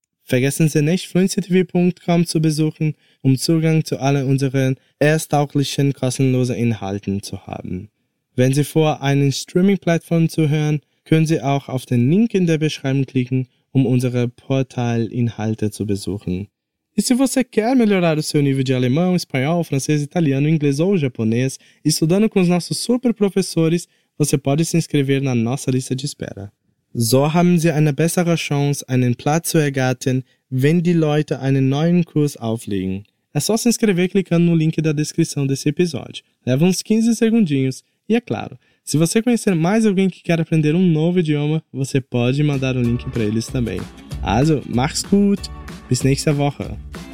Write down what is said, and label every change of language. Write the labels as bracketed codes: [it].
[de] Vergessen Sie nicht, fluencytv.com zu besuchen, um Zugang zu all unseren ersttauglichen, kostenlosen Inhalten zu haben. Wenn Sie vor, einen Streaming-Plattform zu hören, können Sie auch auf den Link in der Beschreibung klicken, um unsere Portal-Inhalte zu besuchen. [pt] E se você quer melhorar o seu nível de alemão, espanhol, francês, italiano, inglês ou japonês, estudando com os nossos super professores, você pode se inscrever na nossa lista de espera. [de] So haben Sie eine bessere Chance, einen Platz zu ergattern, wenn die Leute einen neuen Kurs auflegen. [pt] É só se inscrever clicando no link da descrição desse episódio. Leva uns 15 segundinhos. E é claro, se você conhecer mais alguém que quer aprender um novo idioma, você pode mandar o link para eles também. [de] Also, mach's gut! Bis nächste Woche!